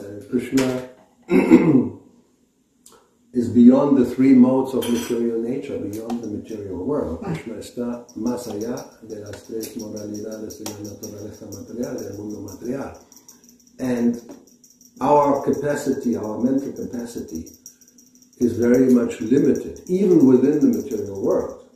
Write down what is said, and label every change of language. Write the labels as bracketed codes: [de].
[en] Krishna is beyond the three modes of material nature, beyond the material world. [es] Krishna está más allá de las tres modalidades de la naturaleza material, del mundo material. [en] And our capacity, our mental capacity, is very much limited, even within the material world.